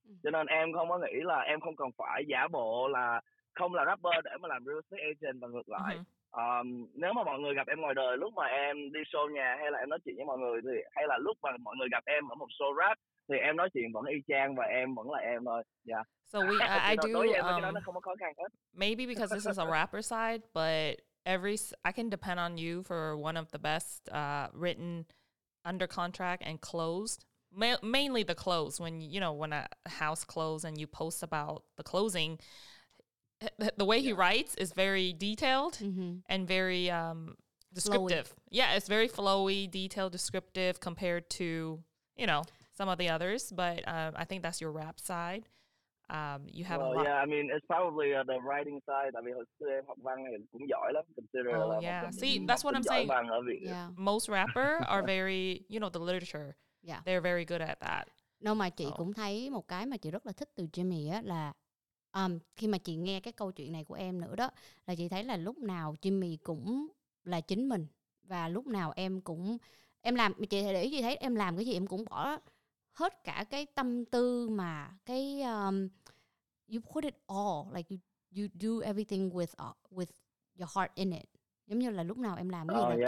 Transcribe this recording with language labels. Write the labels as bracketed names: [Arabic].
[Vietnamese] Cho nên em không có nghĩ là em không cần phải giả bộ là không là rapper để mà làm real estate agent và ngược lại. Nếu mà mọi người gặp em ngoài đời, lúc mà em đi show nhà hay là em nói chuyện với mọi người thì hay là lúc mà mọi người gặp em ở một show rap thì em nói chuyện vẫn y chang và em vẫn là em thôi. [English] Yeah. So we I do [Vietnamese] đối với em, cái đó nó không có khó khăn hết. [English] Maybe because this is a rapper side, but I can depend on you for one of the best written under contract and closed, mainly the close, when a house closed and you post about the closing, the way he writes is very detailed and very descriptive. Flowy. Yeah, it's very flowy, detailed, descriptive compared to, you know, some of the others. But I think that's your rap side. You have well, yeah, I mean, it's probably the writing side. [Vietnamese] I mean, hồi xưa em học văn thì cũng giỏi lắm. [English] Consider oh, [Vietnamese] là [English] yeah. See, that's what I'm saying. Yeah. Most rapper are very, you know, the literature. Yeah. They're very good at that. [Vietnamese] No, mà chị cũng thấy một cái mà chị rất là thích từ Jimmy á là khi mà chị nghe cái câu chuyện này của em nữa đó, là chị thấy là lúc nào Jimmy cũng là chính mình và lúc nào em cũng em làm, chị để ý chị thấy em làm cái gì em cũng bỏ hết cả cái tâm tư mà cái [English] you put it all, like you do everything with your heart in it, [Vietnamese] giống như là lúc nào em làm cái gì